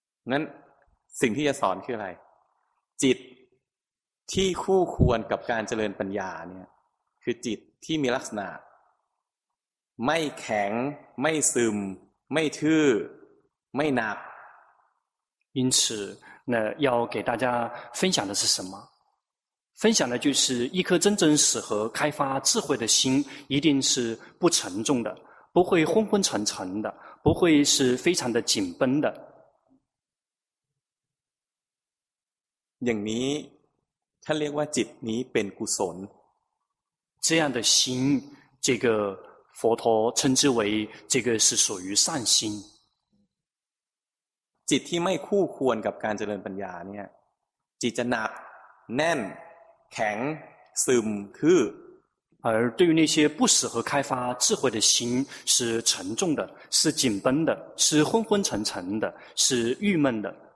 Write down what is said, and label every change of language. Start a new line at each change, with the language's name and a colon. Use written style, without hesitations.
Thai: งั้นสิ่งที่จะสอนคืออะไรจิตที่คู่ควรกับการเจริญปัญญาเนี่ยคือจิตที่มีลักษณะไม่แข็งไม่ซึมไม่ทื่อไม่หนัก
Chinese: 因此那要给大家分享的是什么分享的就是一颗真正适合开发智慧的心一定是不沉重的不会昏昏沉沉的不会是非常的紧绷的
Thai: อย่างนี้ท่านเรียกว่าจิตนี้เป็นกุศล
Chinese: 这样的心这个佛陀称之为这个是属于善心
Thai: จิตที่ไม่คู่ควรกับการเจริญปัญญาเนี่ยจิตจะหนักแน่นแข็งซึมทื่อ
Chinese: 而对于那些不适合开发智慧的心是沉重的是紧绷的是昏昏沉沉的是郁闷的